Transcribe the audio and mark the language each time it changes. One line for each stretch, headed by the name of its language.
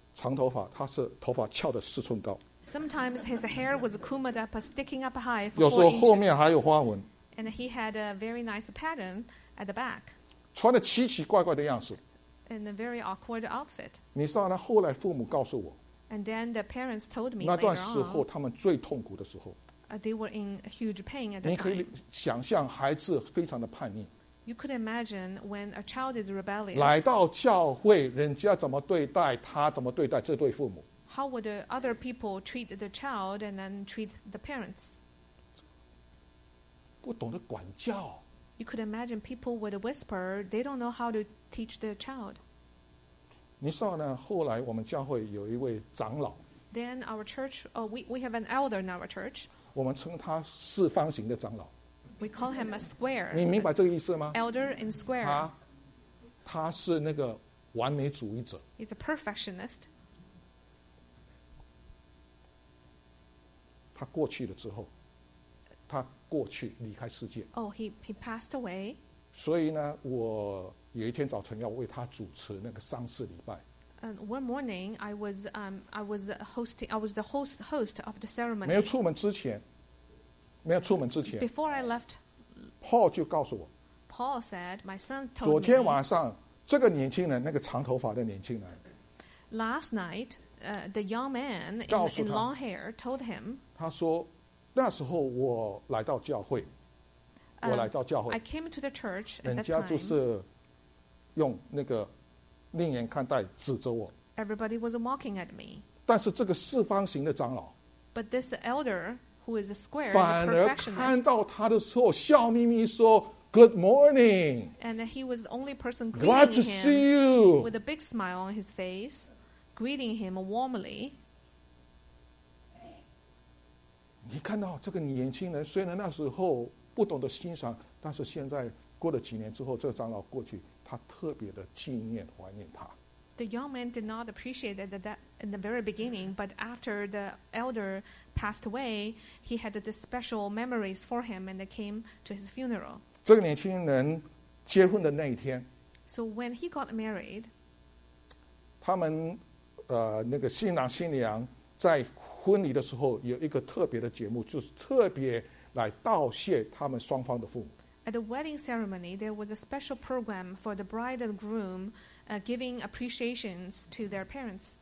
Chinese: 有时候他不是长头发，他是头发翘的四寸高。
English: Sometimes his hair was combed up, sticking up high.
Chinese: 有时候后面还有花纹。
English: And he had a very nice pattern at the back.
Chinese: 穿的奇奇怪怪的样子。
English: In a very awkward outfit.
Chinese: 你知道呢？后来父母告诉我。
English: And then the parents told me.
Chinese: 那段时候他们最痛苦的时候。
English: They were in huge pain at the time.
Chinese: 你可以想象孩子非常的叛逆。
English: You could imagine when a child is rebellious.
Chinese: 来到教会, 人家怎么对待他, 怎么对待这对父母?
English: How would other people treat the child and then treat the parents?
Chinese: 不懂得管教。
English: You could imagine people would whisper, they don't know how to teach their child.
Chinese: 你知道呢, 后来我们教会有一位长老。
English: Then our church, we have an elder in our church.
Chinese: 我们称他四方形的长老。
English: We call him a square.
Chinese: 你明白这个意思吗?
English: Elder in square.
Chinese: 他是那个完美主义者。
English: He's a perfectionist.
Chinese: 他过去了之后, 他过去离开世界。
English: Oh, he passed away.
Chinese: 所以呢, 我有一天早晨要为他主持那个丧事礼拜。
English: One morning, I was the host of the ceremony.
Chinese: 没有出门之前,
English: before I left, Paul said, my son told me,
Chinese: 昨天晚上, 这个年轻人, 那个长头发的年轻人,
English: last night, the young man
Chinese: 告诉他,
English: in long hair told him,
Chinese: 他说, 那时候我来到教会, 我来到教会,
English: I came to the church at that time.
Chinese: 人家就是用那个 另眼看待指责我,
English: everybody was mocking at me.
Chinese: 但是这个四方形的长老,
English: but this elder who is a square,
Chinese: 反而看到他的时候, 笑眯眯说,
English: good morning. And he was the only person greeting glad to him see you. With a big smile on his face, greeting him warmly.
Chinese: 你看到这个年轻人, 虽然那时候不懂得欣赏, 但是现在过了几年之后, 这个长老过去, 他特别的纪念怀念他。
English: The young man did not appreciate that in the very beginning, but after the elder passed away, he had this special memories for him and came to his funeral.
Chinese: 这个年轻人结婚的那一天,
English: so when he got married,
Chinese: 他们, 那个新郎新娘在婚礼的时候有一个特别的节目, 就是特别来道谢他们双方的父母。
English: At the wedding ceremony, there was a special program for the bride and groom giving appreciations to their parents.